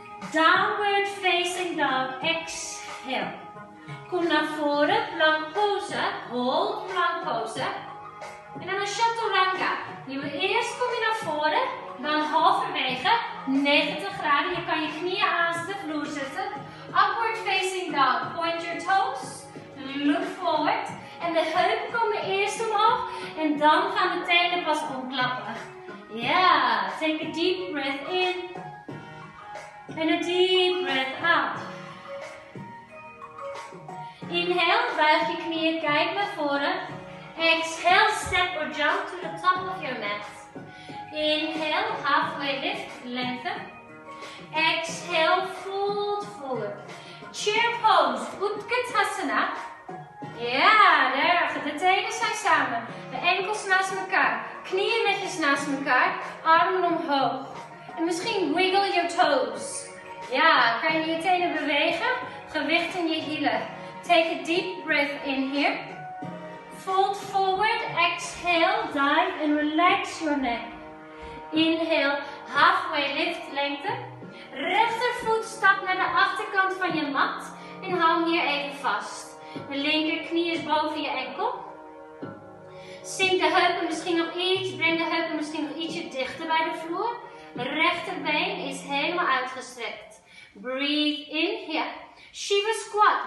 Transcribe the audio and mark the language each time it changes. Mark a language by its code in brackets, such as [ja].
[en] Downward facing dog. Exhale. [nl] Kom naar voren, [en] plank pose. Hold, plank pose. [nl] En dan een chaturanga. Eerst kom je naar voren, dan halverwege, 90 graden. Je kan je knieën aan de vloer zetten. [en] Upward facing dog, point your toes, look forward. [nl] En de heupen komen eerst omhoog en dan gaan de tenen pas omklappen. Ja, yeah. [en] Take a deep breath in. En a deep breath out. [nl] Inhale, buig je knieën, kijk naar voren. [en] Exhale, step or jump to the top of your mat. Inhale, halfway lift, lengthen. Exhale, fold forward. Chair pose, Utkatasana. [nl] Ja, yeah, de tenen zijn samen. De enkels naast elkaar. Knieën netjes naast elkaar. Armen omhoog. En misschien [en] wiggle your toes. [nl] Ja, kan je je tenen bewegen? Gewicht in je hielen. [en] Take a deep breath in here. Fold forward, exhale, dive and relax your neck. Inhale, halfway lift, lengte. [nl] Rechtervoet stap naar de achterkant van je mat en hou hier even vast. De linkerknie is boven je enkel. Zink de heupen misschien nog iets, breng de heupen misschien nog ietsje dichter bij de vloer. Rechterbeen is helemaal uitgestrekt. [en] Breathe in here. Shiva squat.